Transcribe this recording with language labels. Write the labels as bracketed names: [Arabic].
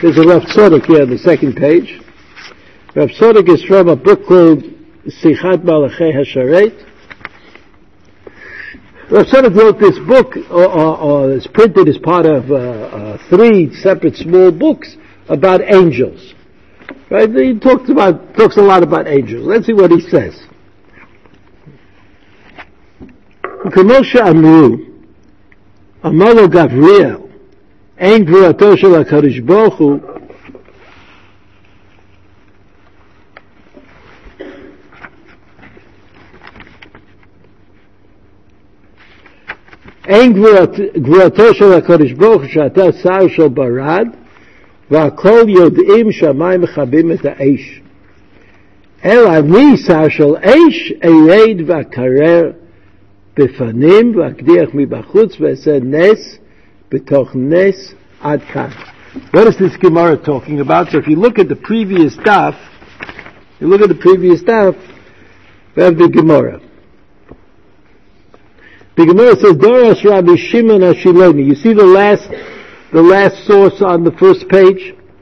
[English] There's a Rav Tzodok here on the second page. Rav Tzodok is from a book called Sichat Malachei Hasharet. Rav Tzodok wrote this book, or is printed as part of three separate small books about angels. Right, he talks a lot about angels. Let's see what he says. [Hebrew] כמו שאמרו, אמר לו גבריאל, אין גבורתו של הקדוש ברוך הוא, אין גבורתו של הקדוש ברוך הוא שאתה שר של ברד, והכל יודעים שהמים מכבים את האש. אלא אני שר של אש, ארד ואקרר בפנים, ואקדיח מבחוץ, ועשה נס בתוך נס עד כאן. [English] What is this Gemara talking about? So if you look at the previous daf, you look at the previous daf, we have the Gemara. The Gemara says, Doros Rabbi Shimon Ashiloni. You see the last source on the first page?